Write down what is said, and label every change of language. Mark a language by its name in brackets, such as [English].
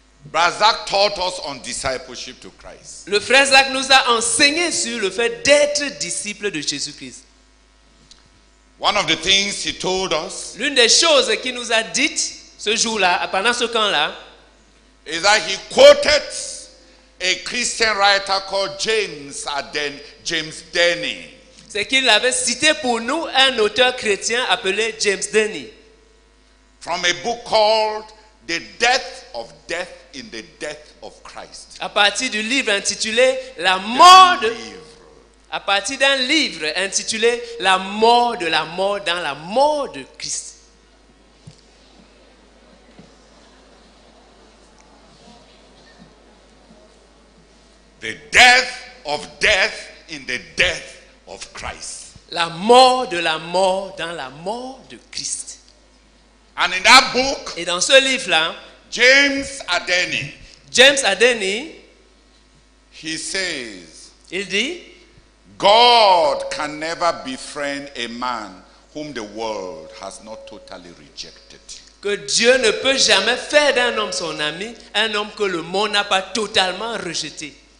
[English] Brother Zach taught us on discipleship to Christ. [French] Le frère Zach nous a enseigné sur le fait d'être disciple de Jésus-Christ. [English] One of the things he told us. [French] L'une des choses qu'il nous a dites ce jour-là, pendant ce camp-là, [English] is that he quoted a Christian writer called James Denny. [French] C'est qu'il avait cité pour nous un auteur chrétien appelé James Denny. [English] From a book called The Death of Death in the Death of Christ. [French] À partir du livre intitulé La mort de À partir d'un livre intitulé La mort de la mort dans la mort de Christ. [English] The Death of Death in the Death of Christ. [French] La mort de la mort dans la mort de Christ. [English] And in that book, [French] et dans ce livre-là, [English] James Adeni, he says, [French] il dit, [English] God can never befriend a man whom the world has not totally rejected. [French] Que Dieu ne peut jamais faire d'un homme son ami, un homme que le monde n'a pas totalement rejeté.